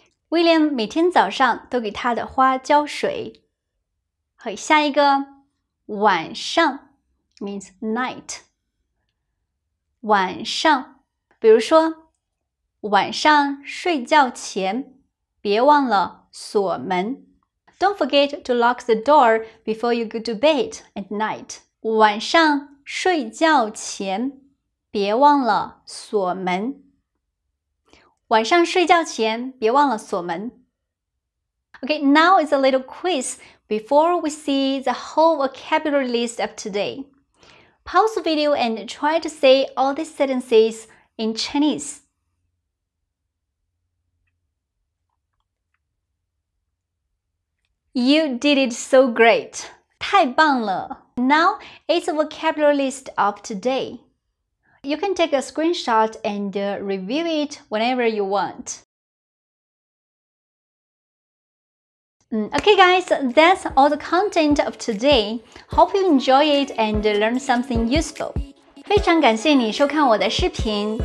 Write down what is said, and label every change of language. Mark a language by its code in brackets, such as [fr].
[zh] William 每天早上都给他的花浇水。好，下一个，晚上 [en] means night. [zh] 晚上，比如说晚上睡觉前别忘了锁门。 [en] Don't forget to lock the door before you go to bed at night. [zh] 晚上睡觉前别忘了锁门。晚上睡觉前别忘了锁门。 [en] Okay, now is a little quiz before we see the whole vocabulary list of today. Pause the video and try to say all these sentences in Chinese. You did it so great. [zh] 太棒了。 [en] Now, it's a vocabulary list of today. You can take a screenshot and review it whenever you want. Okay, guys, that's all the content of today. Hope you enjoy it and learn something useful. [zh] 非常感谢你收看我的视频。